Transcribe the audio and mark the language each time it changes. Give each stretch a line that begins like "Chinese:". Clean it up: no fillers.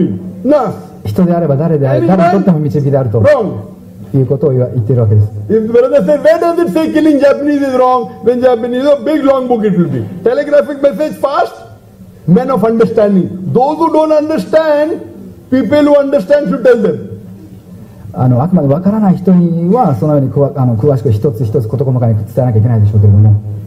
Japanese: わざわざ国を挙げてですね、アメリカの人、パキスタンの人、インドの人というその国名どころの人たちにとっての導きではなくて、人々。
English: Any human being, no.
Japanese: 人であれば誰であれ、誰にとっても導きであると。
English: Wrong.
Japanese: いうことを言っているわけです。
English: Where does it say killing Japanese is wrong? When Japanese, a big long book it will be. Telegraphic message, fast. Men of understanding. Those who don't understand, people who understand should tell them.
Japanese: あくまでわからない人にはそのようにこわあの詳しく一つ一つ事細かに伝えなきゃいけないでしょうけれども。